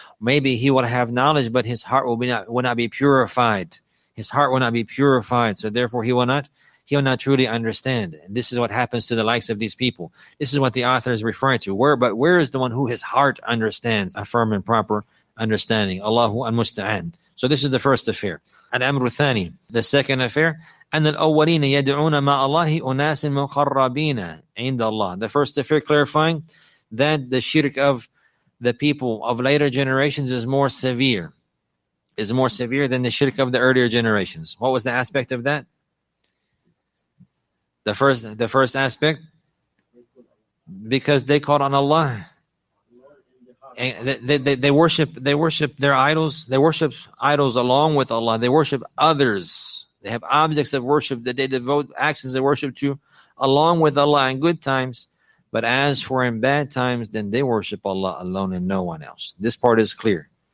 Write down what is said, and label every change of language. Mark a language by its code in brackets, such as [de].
[en] Maybe he will have knowledge, but his heart will not be purified. His heart will not be purified. So therefore he will not truly understand. And this is what happens to the likes of these people. This is what the author is referring to. Where is the one who his heart understands a firm and proper understanding? Allahu al-musta'an. So this is the first affair. [ar] الأمر الثاني, [en] the second affair, [ar] أن الأولين يدعون مع الله أناس مقربين عند الله. [en] The first affair clarifying that the shirk of the people of later generations is more severe than the shirk of the earlier generations. What was the aspect of that? The first aspect, because they called on Allah, they worship their idols, they worship idols along with Allah, they worship others, they have objects of worship that they devote actions of worship to along with Allah in good times, but as for in bad times, then they worship Allah alone and no one else. This part is clear.